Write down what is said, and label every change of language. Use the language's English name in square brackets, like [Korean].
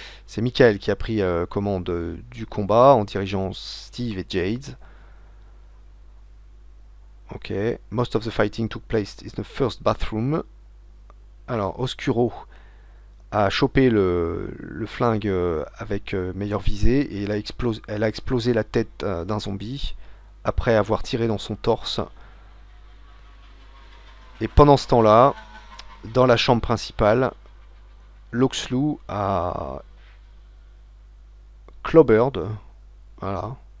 [French] C'est Michael qui a pris commande du combat en dirigeant Steve et Jade. [English] Ok, most of the fighting took place in the first bathroom. [French] Alors, Oscuro a chopé le flingue avec meilleure visée et elle a explosé la tête d'un zombie après avoir tiré dans son torse. Et pendant ce temps-là, dans la chambre principale, Luxlou a clobbered. Voilà.